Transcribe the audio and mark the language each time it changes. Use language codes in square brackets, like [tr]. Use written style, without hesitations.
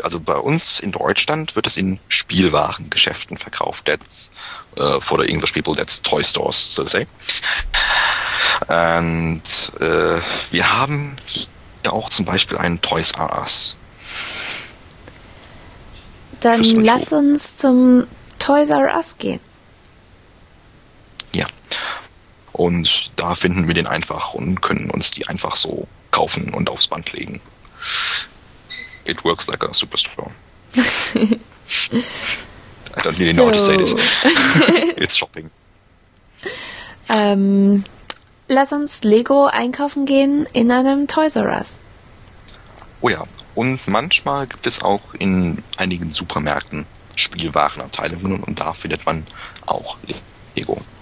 [de] Also bei uns in Deutschland wird es in Spielwarengeschäften verkauft. [en] That's... for the English people, that's toy stores, so to say. [de] And wir haben hier auch zum Beispiel einen Toys R Us. Dann lass uns zum Toys R Us gehen. Ja. Und da finden wir den einfach und können uns die einfach so kaufen und aufs Band legen. [en] It works like a superstore. I don't really know how to say this. It's shopping. [de] Lass uns Lego einkaufen gehen in einem Toys R Us. Oh ja, und manchmal gibt es auch in einigen Supermärkten Spielwarenabteilungen und da findet man auch Lego.